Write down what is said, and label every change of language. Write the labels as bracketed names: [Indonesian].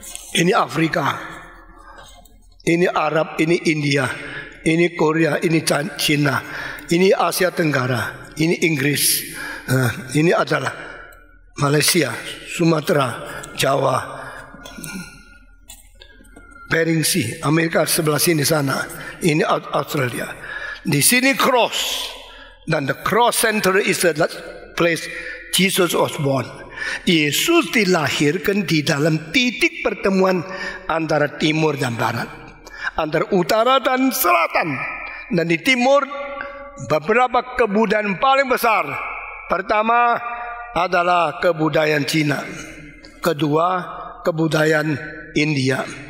[Indonesian] Ini Afrika, ini Arab, ini India, ini Korea, ini China, ini Asia Tenggara, ini Inggris, ini adalah Malaysia, Sumatera, Jawa, Bering Sea, Amerika sebelah sini sana, ini Australia. Di sini cross, dan [English] the cross center is the place Jesus was born. [Indonesian] Yesus dilahirkan di dalam titik pertemuan antara timur dan barat, antara utara dan selatan. Dan di timur beberapa kebudayaan paling besar. Pertama adalah kebudayaan Cina, kedua kebudayaan India.